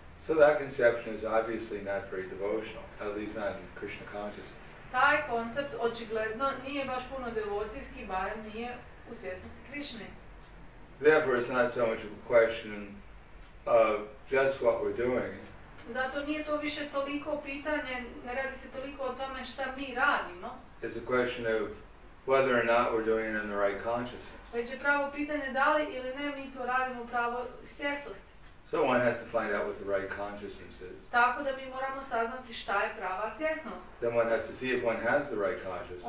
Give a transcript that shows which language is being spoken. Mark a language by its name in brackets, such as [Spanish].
[English] So that conception is obviously not very devotional, at least not in Krishna consciousness. [Bosnian] Taj koncept očigledno nije baš puno devocijski, barem nije u svjesnosti Krišne. [English] Therefore, it's not so much a question of just what we're doing. [Bosnian] Zato nije to više toliko pitanje, ne radi se toliko o tome šta mi radimo. [English] It's a question of whether or not we're doing it in the right consciousness. [Bosnian] Već je pravo pitanje da li ili ne mi to radimo u pravo svjesnosti. [English] So one has to find out what the right consciousness is. [Bosnian] Tako da mi moramo saznati šta je prava svjesnost. [English] Then one has to see if one has the right consciousness.